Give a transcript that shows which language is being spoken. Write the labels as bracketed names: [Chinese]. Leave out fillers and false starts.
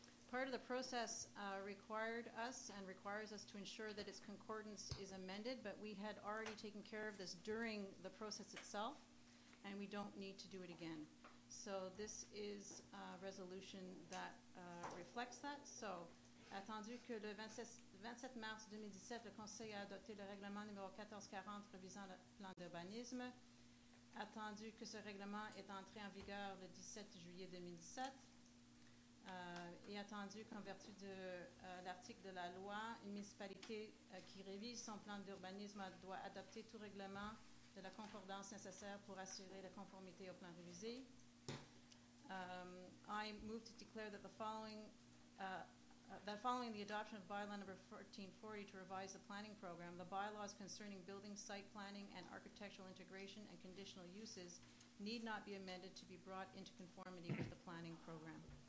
[English] Part of the process required us and requires us to ensure that its concordance is amended, but we had already taken care of this during the process itself. And we don't need to do it again. So this is a resolution that reflects that. [French] So, attendu que le 27 mars 2017, le Conseil a adopté le règlement numéro 1440 revisant le plan d'urbanisme. Attendu que ce règlement est entré en vigueur le 17 juillet 2017. Et attendu qu'en vertu de l'article de la loi, une municipalité qui révise son plan d'urbanisme doit adopter tout règlement de la concordance nécessaire pour assurer la conformité au plan révisé. [English] I move to declare that following the adoption of bylaw number 1440 to revise the planning program, the bylaws concerning building site planning and architectural integration and conditional uses need not be amended to be brought into conformity with the planning program.